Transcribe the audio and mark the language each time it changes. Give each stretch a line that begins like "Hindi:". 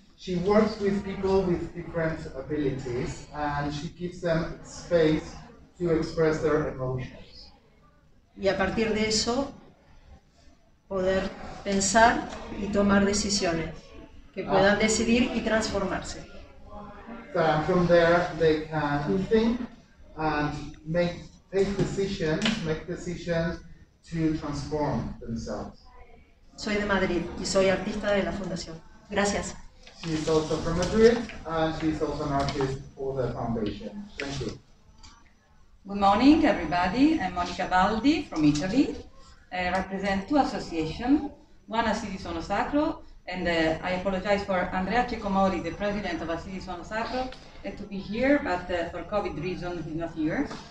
English: She works with people with different abilities, and she gives them space to express their emotions.
Spanish: Y a partir de eso, poder pensar y tomar decisiones que puedan decidir y transformarse.
English: From there, they can think and make decisions to transform themselves.
Spanish: Soy de Madrid y soy artista de la Fundación. Gracias.
English: She is also from Madrid and she is also an artist for the Foundation. Thank you. Good morning, everybody. I'm Monica Baldi from Italy. I represent two associations, one a City Sono Sacro, and I apologize for Andrea Cecomori, the president of a City Sono Sacro, to be here, but for COVID reasons he's not here.